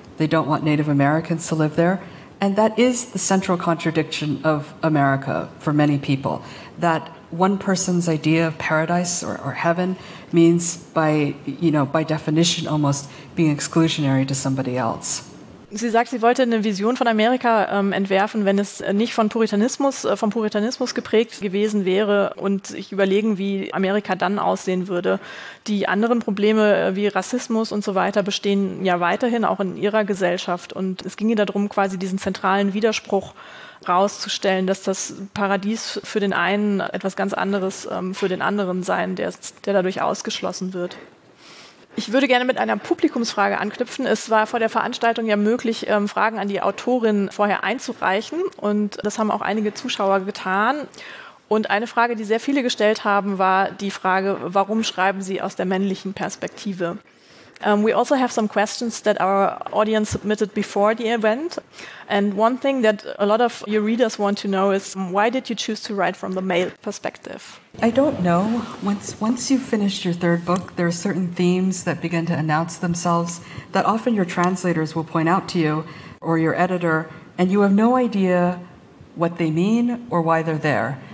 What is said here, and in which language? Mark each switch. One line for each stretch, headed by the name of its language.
English: They don't want Native Americans to live there. And that is the central contradiction of America for many people, that one person's idea of paradise or heaven means by definition almost being exclusionary to somebody else.
German: Sie sagt, sie wollte eine Vision von Amerika entwerfen, wenn es nicht von Puritanismus, vom Puritanismus geprägt gewesen wäre und sich überlegen, wie Amerika dann aussehen würde. Die anderen Probleme wie Rassismus und so weiter bestehen ja weiterhin auch in ihrer Gesellschaft. Und es ging ihr darum, quasi diesen zentralen Widerspruch rauszustellen, dass das Paradies für den einen etwas ganz anderes für den anderen sein, der dadurch ausgeschlossen wird. Ich würde gerne mit einer Publikumsfrage anknüpfen. Es war vor der Veranstaltung ja möglich, Fragen an die Autorin vorher einzureichen. Und das haben auch einige Zuschauer getan. Und eine Frage, die sehr viele gestellt haben, war die Frage, warum schreiben Sie aus der männlichen Perspektive?
English: We also have some questions that our audience submitted before the event. And one thing that a lot of your readers want to know is, why did you choose to write from the male perspective? I don't know. Once you've finished your third book, there are certain themes that begin to announce themselves that often your translators will point out to you or your editor, and you have no idea what they mean or why they're there.